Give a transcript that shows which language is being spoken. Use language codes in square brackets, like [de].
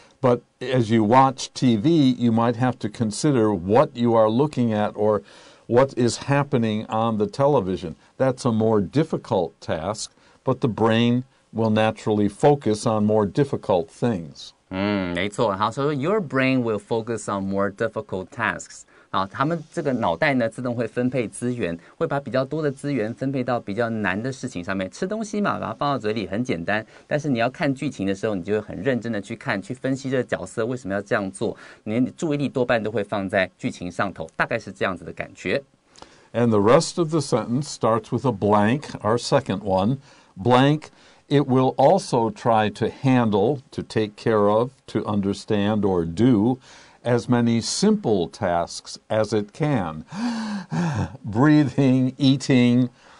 [en] But as you watch TV, you might have to consider what you are looking at or what is happening on the television. That's a more difficult task, but the brain will naturally focus on more difficult things. [zh] 没错，好，所以 [en] your brain will focus on more difficult tasks. [zh] 啊，他们这个脑袋呢，自动会分配资源，会把比较多的资源分配到比较难的事情上面。吃东西嘛，把它放到嘴里很简单，但是你要看剧情的时候，你就会很认真的去看，去分析这个角色为什么要这样做。你的注意力多半都会放在剧情上头，大概是这样子的感觉。 [en] And the rest of the sentence starts with a blank, our second one, blank. It will also try to handle, to take care of, to understand, or do as many simple tasks as it can. Breathing, eating.